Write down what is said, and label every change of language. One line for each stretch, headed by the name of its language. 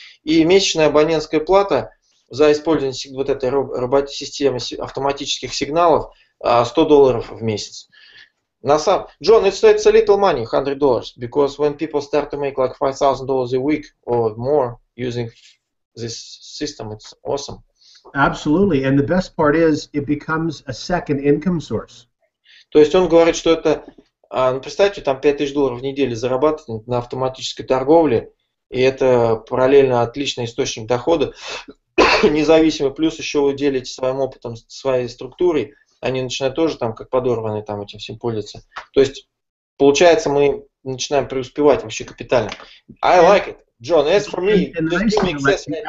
Russian: И месячная абонентская плата за использование вот этой системы автоматических сигналов $100 в месяц.
English: Джон, it's a little money, $100, because when people start to make like $5,000 a week or more using this system, it's awesome. Absolutely, and the best part is it becomes a second income source.
Russian: То есть он говорит, что это, представьте, там $5,000 в неделю зарабатывает на автоматической торговле, и это параллельно отличный источник дохода, независимо, плюс еще вы делитесь своим опытом, своей структурой, они начинают тоже там как подорванные там этим всем пользоваться. То есть получается, мы начинаем преуспевать вообще капитально.
English: I like it. John, as for me, this nice thing makes sense right